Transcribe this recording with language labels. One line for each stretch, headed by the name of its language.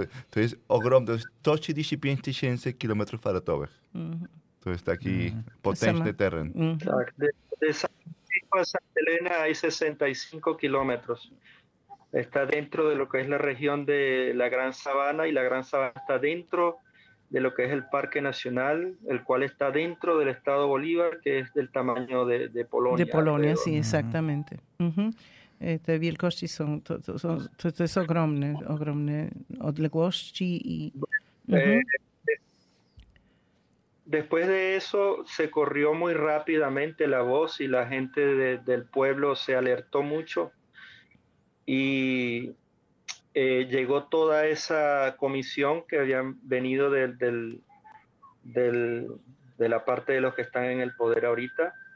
Polish: To jest ogromne, to jest 135 tysięcy kilometrów kwadratowych. To jest taki potężny teren. Tak,
Spanish: de San Francisco a Santa Elena hay 65 kilómetros. Está dentro de lo que es la región de la Gran Sabana, y la Gran Sabana está dentro de lo que es el Parque Nacional, el cual está dentro del Estado Bolívar, que es del tamaño de Polonia. De Polonia, sí, exactamente.
Polish: Te wielkości są, to jest ogromne, ogromne odległości i...
Spanish: Después de eso, se corrió muy rápidamente la voz y la gente del pueblo se alertó mucho. Y llegó toda esa comisión que habían venido de la parte de los que están en el poder ahorita.